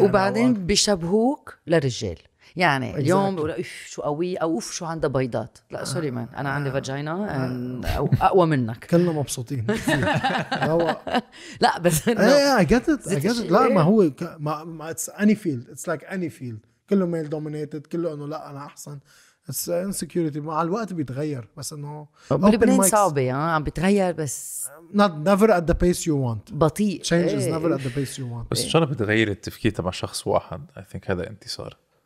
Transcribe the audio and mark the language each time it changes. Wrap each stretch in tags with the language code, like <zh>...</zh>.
<ar>وبعدين بيشبهوك للرجال يعني exactly. اليوم بقول اوف شو قوي اوف شو عنده بيضات لا سوري مان انا عندي فاجينا او اقوى منك كلنا مبسوطين لا بس</ar> <en>I get it</en> <ar>لا ما هو ما</ar> <en>it's any field it's like any field</en> <ar>كله ميل دومينيتد كله انه لا انا احسن</ar> <en>it's insecurity</en> <ar>مع الوقت بيتغير بس انه بلبنان صعبة عم بتغير بس</ar> <en>not never at the pace you want</en> <ar>بطيء</ar> <en>change is never at the pace you want</en> <ar>بس شلون بتغير التفكير تبع شخص واحد</ar> <en>I think</en> <ar>هذا انتصار</ar>